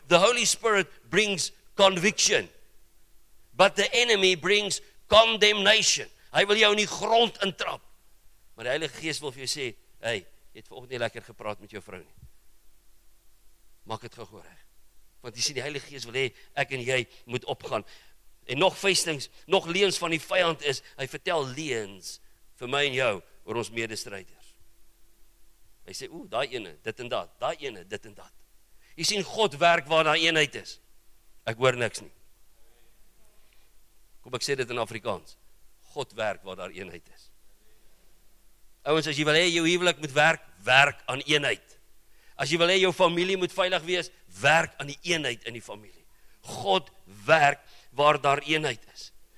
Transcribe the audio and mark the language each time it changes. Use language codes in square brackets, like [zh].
[en] The Holy Spirit brings conviction, but the enemy brings condemnation. [af] Hy wil jou in die grond intrap. Maar die Heilige Gees wil vir jou sê, hey, jy het vanoggend nie lekker gepraat met jou vrou nie. Maak het gou reg. Want jy sien, die Heilige Gees wil hê, ek en jy moet opgaan. En nog vestings, nog leens van die vijand is, hy vertel leens vir my en jou, oor ons medestryders. Hy sê, oeh, daai ene, dit en dat, daai ene, dit en dat. Jy sien, God werk waar daar eenheid is. Ek hoor niks nie. Kom, ek sê dit in Afrikaans. God werk waar daar eenheid is. Ouens, as jy wil hê, jou huwelik moet werk, werk aan eenheid. As jy wil hê, jou familie moet veilig wees, werk aan die eenheid in die familie. God werk waar daar eenheid is.